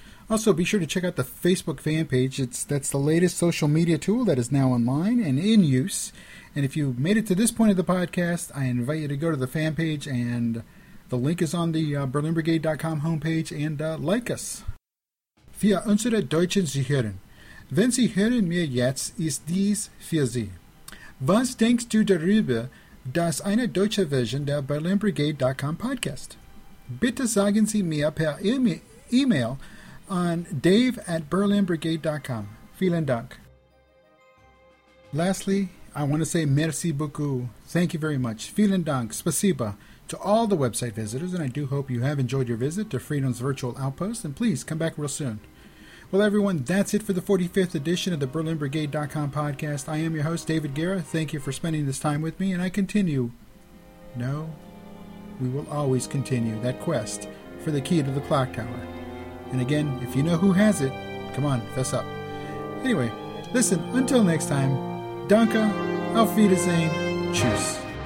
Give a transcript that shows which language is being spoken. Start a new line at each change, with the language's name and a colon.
English: Also, be sure to check out the Facebook fan page. That's the latest social media tool that is now online and in use. And if you made it to this point of the podcast, I invite you to go to the fan page, and the link is on the BerlinBrigade.com homepage, and like us.
German: Für unsere deutschen Zuhörer. Wenn Sie hören mir jetzt, ist dies für Sie. Was denkst du darüber, dass eine deutsche Version der BerlinBrigade.com Podcast? Bitte sagen Sie mir per E-Mail an dave@BerlinBrigade.com. Vielen Dank.
English: Lastly, I want to say
French: merci beaucoup.
English: Thank you very much.
German: Vielen Dank.
Russian: Spasiba.
English: To all the website visitors, and I do hope you have enjoyed your visit to Freedom's Virtual Outpost, and please come back real soon. Well, everyone, that's it for the 45th edition of the BerlinBrigade.com podcast. I am your host, David Guerra. Thank you for spending this time with me, and I continue. No, we will always continue that quest for the key to the clock tower. And again, if you know who has it, come on, fess up. Anyway, listen, until next time,
German: danke, auf Wiedersehen, tschüss.